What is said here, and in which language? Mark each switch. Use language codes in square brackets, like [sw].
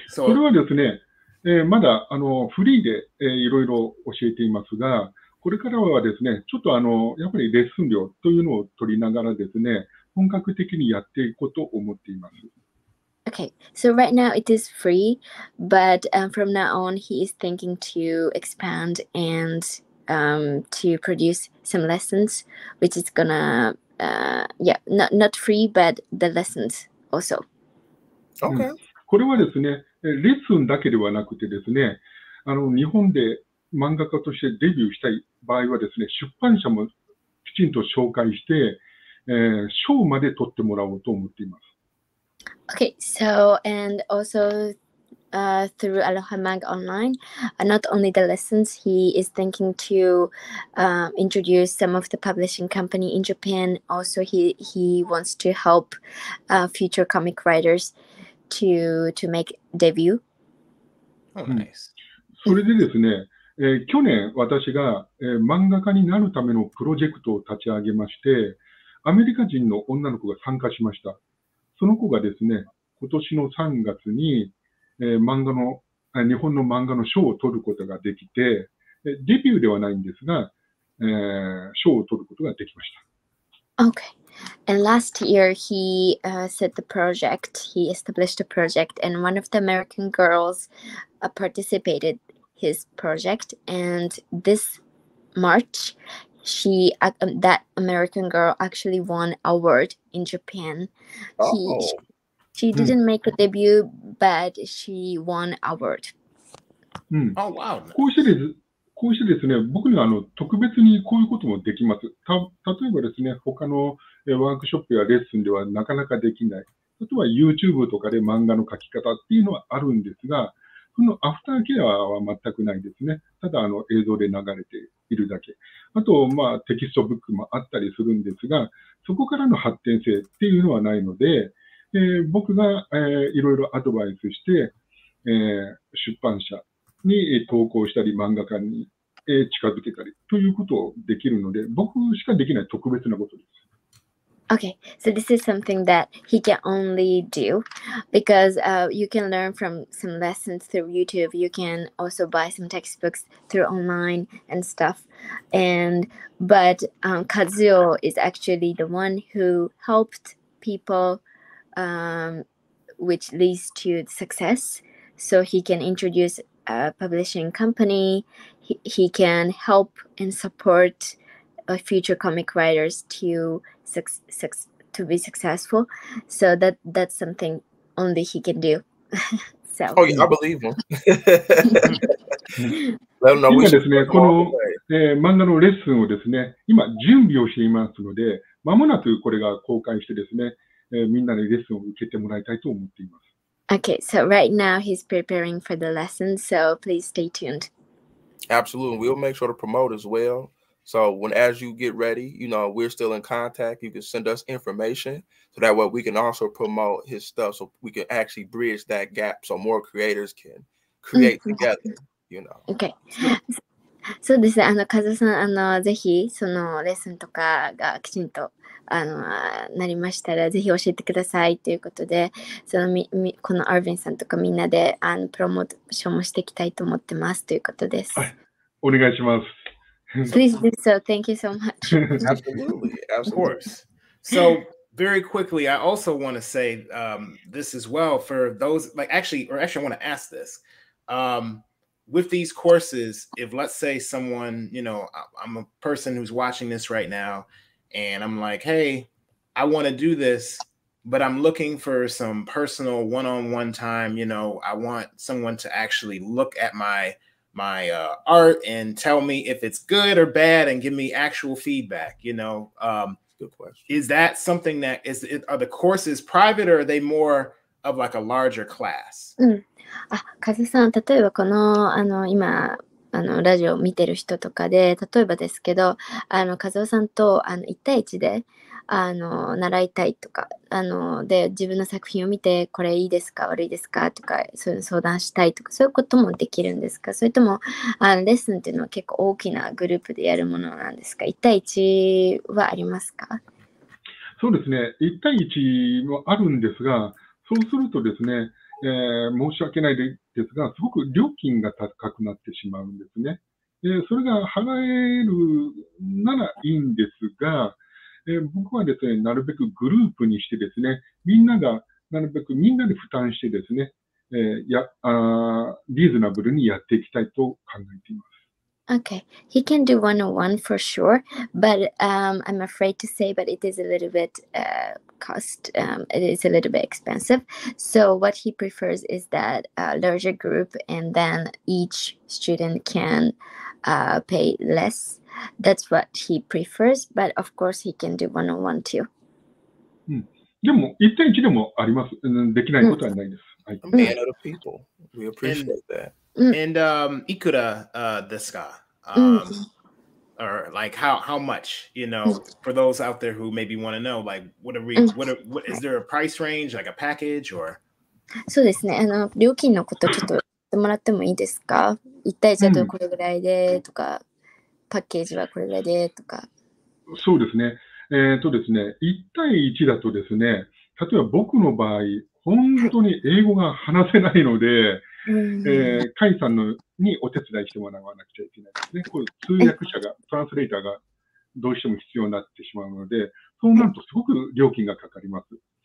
[ja] so これはですね、まだあのフリーで、いろいろ教えていますが、これからはですね、ちょっとあのやっぱりレッスン料というのを取りながらですね、本格的にやっていこうと思っています。 [en] Okay, so right now it is free, but from now on he is thinking to expand and to produce some lessons, which is gonna, not free, but the lessons also. Okay. [ja] これはですね、レッスンだけではなくてですね、あの日本で漫画家としてデビューしたい場合はですね、出版社もきちんと紹介して、賞まで取ってもらおうと思っています。 [en] Okay, so and also through Aloha Manga Online, not only the lessons, he is thinking to introduce some of the publishing company in Japan. Also, he wants to help future comic writers to make debut. Oh, nice. [ja] それでですね、去年私が、漫画家になるためのプロジェクトを立ち上げまして、アメリカ人の女の子が参加しました。その子がですね、今年の3月に、漫画の日本の漫画の賞を取ることができて、デビューではないんですが、賞を取ることができました。 [en] Okay. And last year, he set the project. He established a project, and one of the American girls participated his project. And this March, she that American girl actually won award in Japan. She didn't make a debut, but she won award. Oh wow! [ja] こうしてですね、僕にはあの特別にこういうこともできます。例えばですね、他のワークショップやレッスンではなかなかできない。例えば YouTube とかで漫画の描き方っていうのはあるんですが、そのアフターケアは全くないですね。ただあの映像で流れているだけ。あと、まあ、テキストブックもあったりするんですが、そこからの発展性っていうのはないので、僕が、いろいろアドバイスして、出版社に投稿したり、漫画家に、近づけたりということをできるので、僕しかできない特別なことです。 [en] Okay, so this is something that he can only do because you can learn from some lessons through YouTube. You can also buy some textbooks through online and stuff. But Kazuo is actually the one who helped people, which leads to success. So he can introduce a publishing company. He can help and support future comic writers to be successful, so that's something only he can do. So. Oh yeah, I believe him. Let him know. [ja] 今ですね、この、漫画のレッスンをですね、今準備をしていますので、まもなくこれが公開してですね、みんなにレッスンを受けてもらいたいと思っています。 [en] Okay, so right now he's preparing for the lesson, so please stay tuned. Absolutely, we'll make sure to promote as well. So when, as you get ready, you know, we're still in contact. You can send us information so that way we can also promote his stuff so we can actually bridge that gap so more creators can create together, you know. Okay. [ja] そうですね。あの、カズさん、あの、ぜひ、その、レッスンとかがきちんと、あの、なりましたら、ぜひ教えてくださいということで、その、このアーヴィンさんとかみんなで、あの、プロモーションもしていきたいと思ってますということです。はい。お願いします。 [en] Please do so. Thank you so much. Absolutely. Of course. So very quickly, I also want to say this as well for those like actually I want to ask this with these courses. If let's say someone, you know, I'm a person who's watching this right now and I'm like, hey, I want to do this, but I'm looking for some personal one-on-one time. You know, I want someone to actually look at my my art and tell me if it's good or bad and give me actual feedback, you know? Good question. Is that something that is, are the courses private or are they more of like a larger class? [ja] Kazuo-san, ラジオを見てる人とかで、例えばですけど、和夫さんと1対1で習いたいとか、で自分の作品を見てこれいいですか悪いですかとか、そういうの相談したいとか、そういうこともできるんですか、それともレッスンっていうのは結構大きなグループでやるものなんですか、1対1はありますか。そうですね、1対1はあるんですが、そうするとですね、申し訳ないですが、すごく料金が高くなってしまうんですね。それが払えるならいいんですが、僕はですね、なるべくグループにしてですね、みんながなるべくみんなで負担してですね、リーズナブルにやっていきたいと考えています。 [en] Okay, he can do one-on-one for sure, but I'm afraid to say, but it is a little bit cost, it is a little bit expensive. So what he prefers is that a larger group, and then each student can pay less. That's what he prefers, but of course he can do one-on-one too. [ja] でも一対一でもあります。できないことはないです。 [en] A man of the people. We appreciate that. And Ikura, this guy. Or like how much, you know, for those out there who maybe want to know, like what is there a price range, like a package or? [ja] そうですね、料金のことちょっと言ってもらってもいいですか、一体じゃどれぐらいでとか、パッケージはこれぐらいでとか。そうですね、ですね、一対一だとですね、例えば僕の場合、本当に英語が話せないので、カイさんのにお手伝いしてもらわなくちゃいけないですね。こういう通訳者が、トランスレーターがどうしても必要になってしまうので、そうなるとすごく料金がかかります。